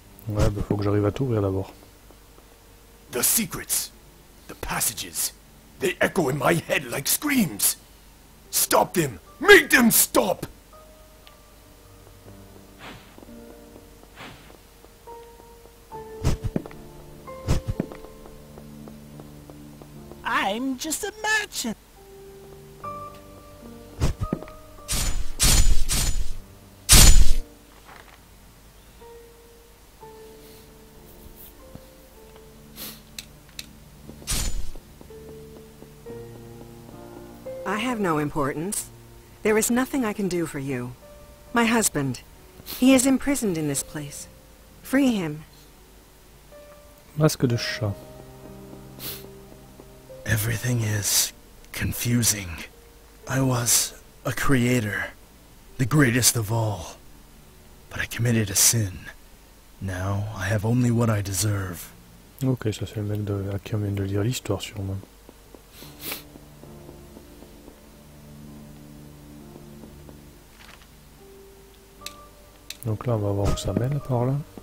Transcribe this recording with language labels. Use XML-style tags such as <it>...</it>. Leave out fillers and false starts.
<fr>Ouais, bah faut que j'arrive à t'ouvrir d'abord.</fr> <en>The secrets, the passages, they echo in my head like screams. Stop them! Make them stop! I'm just a merchant. I have no importance. There is nothing I can do for you. My husband, he is imprisoned in this place. Free him.</en> <fr>Masque de chat.</fr> <en>Everything is confusing. I was a creator, the greatest of all. But I committed a sin. Now I have only what I deserve.</en> <fr>Ok, ça c'est le mec de, à qui on vient de lire l'histoire sûrement. Donc là on va voir où ça mène par là.</fr>